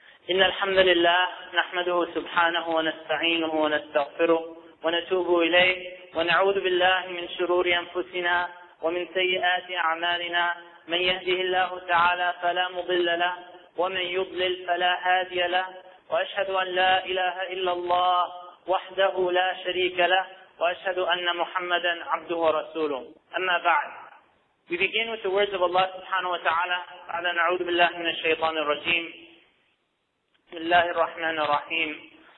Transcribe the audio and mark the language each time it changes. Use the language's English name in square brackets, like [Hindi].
[Arabic] إن الحمد لله نحمده سبحانه ونستعينه ونستغفره ونتوب إليه ونعوذ بالله من شرور أنفسنا ومن سيئات أعمالنا، من يهده الله تعالى فلا مضل له ومن يضلل فلا هادي له، وأشهد أن لا إله إلا الله وحده لا شريك له، وأشهد أن محمدا عبده ورسوله. أما بعد، [English] we begin with the words of Allah subhanahu wa ta'ala. [Arabic] بعد نعوذ بالله من الشيطان الرجيم. بسم الله الرحمن الرحيم.